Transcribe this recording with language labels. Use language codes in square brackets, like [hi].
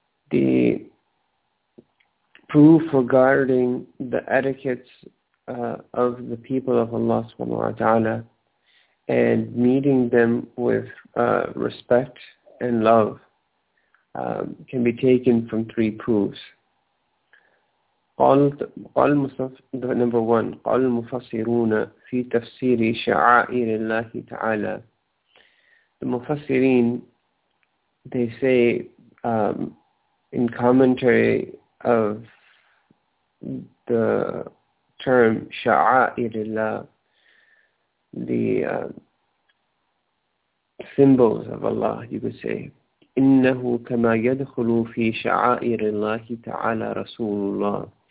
[en] The proof regarding the etiquettes of the people of Allah subhanahu wa ta'ala and meeting them with respect and love can be taken from three proofs. [ar] قال [en] number one, [ar] قال المفسرون في تفسير شعائر الله تعالى. [en] The مفسرين, they say, in commentary of the term sha'airillah, the symbols of Allah, you could say, [ar] innahu kama yadkhulu fi sha'airillahi ta'ala rasulullah.